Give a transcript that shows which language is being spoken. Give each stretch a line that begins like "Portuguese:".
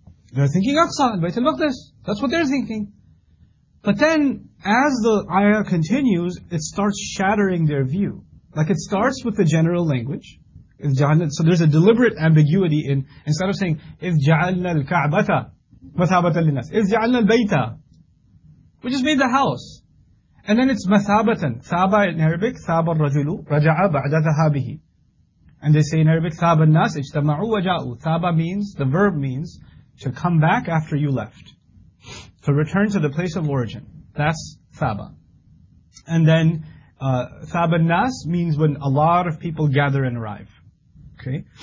English: They're thinking Aqsa, Bayt al-Maqdis. That's what they're thinking. But then, as the ayah continues, it starts shattering their view. Like, it starts with the general language. So there's a deliberate ambiguity in, instead of saying,
Arabic: إِذْ جَعَلْنَا الْكَعْبَةَ مَثَابَةً لِلنَّاسِ إِذْ جَعَلْنَا الْبَيْتَ.
English: We just made the house. And then it's مَثَابَةً.
Arabic: ثَابَ
English: in Arabic,
Arabic: ثَابَ الرَّجُلُ رَجَعَ بَعْدَ ذَهَابِهِ.
English: And they say in Arabic,
Arabic: ثَابَ النَّاسِ اِجْتَمَعُوا وَجَعُوا.
English: ثَابَ means, the verb means, to come back after you left. To return to the place of origin. That's ثَابَ. And then,
Arabic: ثَابَ النَّاسِ
English: means when a lot of people gather and arrive. Okay?